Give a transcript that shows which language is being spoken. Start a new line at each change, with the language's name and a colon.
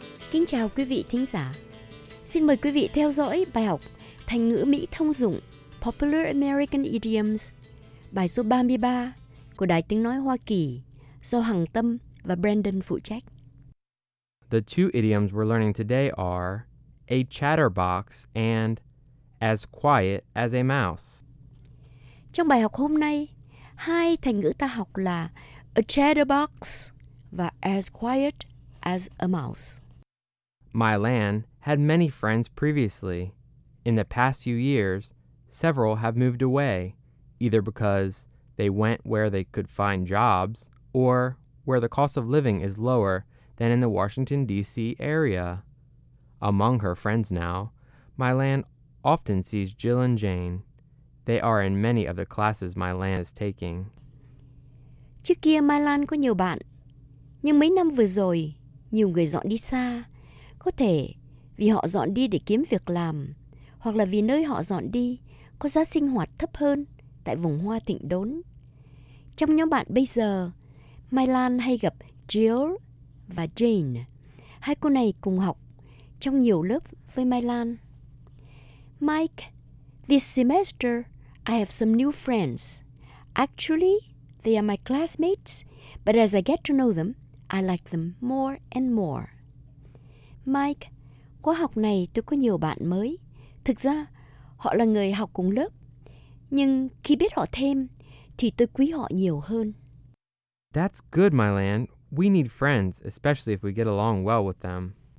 Vietnamese: Kính chào quý vị thính giả. Xin mời quý vị theo dõi bài học thành ngữ Mỹ thông dụng Popular American Idioms, bài số 33 của Đài Tiếng Nói Hoa Kỳ do Hằng Tâm và Brandon phụ trách.
English: The two idioms we're learning today are a chatterbox and as quiet as a mouse.
Vietnamese: Trong bài học hôm nay, hai thành ngữ ta học là
English: a chatterbox
Vietnamese: và
English: as quiet as a mouse. My Lan had many friends previously. In the past few years, several have moved away, either because they went where they could find jobs or where the cost of living is lower than in the Washington, D.C. area. Among her friends now, My Lan often sees Jill and Jane. They are in many of the classes My Lan is taking.
Vietnamese: Trước kia My Lan có nhiều bạn, nhưng mấy năm vừa rồi, nhiều người dọn đi xa. Có thể vì họ dọn đi để kiếm việc làm, hoặc là vì nơi họ dọn đi có giá sinh hoạt thấp hơn tại vùng hoa thịnh đốn. Trong nhóm bạn bây giờ, Mai Lan hay gặp Jill và Jane. Hai cô này cùng học trong nhiều lớp với Mai Lan.
English: Mike, this semester I have some new friends. Actually, they are my classmates, but as I get to know them, I like them more and more.
Vietnamese: Mike, khóa học này tôi có nhiều bạn mới. Thực ra, họ là người học cùng lớp. Nhưng khi biết họ thêm, thì tôi quý họ nhiều hơn.
English: That's good, My Lan. We need friends, especially if we get along well with them.